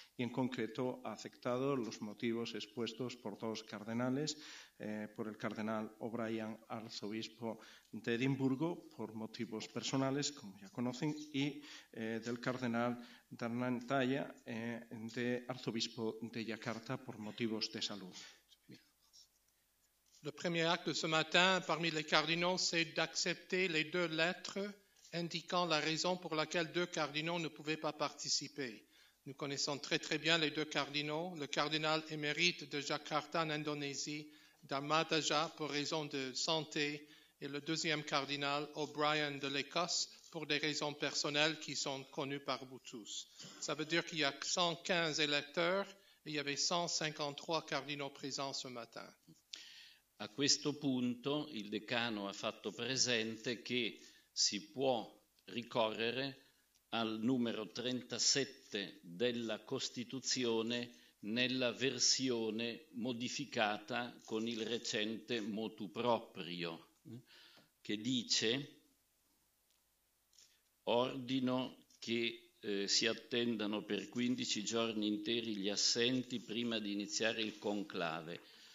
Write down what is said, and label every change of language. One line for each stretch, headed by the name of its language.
Spanish: Y, en concreto, ha aceptado los motivos expuestos por dos cardenales, por el cardenal O'Brien, arzobispo de Edimburgo, por motivos personales, como ya conocen, y del cardenal Darnan Taya, de arzobispo de Yakarta, por motivos de salud.
French: Le premier acte de ce matin parmi les cardinaux, c'est d'accepter les deux lettres indiquant la raison pour laquelle deux cardinaux ne pouvaient pas participer. Nous connaissons très très bien les deux cardinaux, le cardinal émérite de Jakarta en Indonésie, Dharmadaja, pour raison de santé, et le deuxième cardinal, O'Brien de l'Écosse, pour des raisons personnelles qui sont connues par vous tous. Ça veut dire qu'il y a 115 électeurs et il y avait 153 cardinaux présents ce matin.
Italian: A questo punto il decano ha fatto presente che si può ricorrere al numero 37 della Costituzione nella versione modificata con il recente motu proprio, che dice: ordino che si attendano per 15 giorni interi gli assenti prima di iniziare il conclave.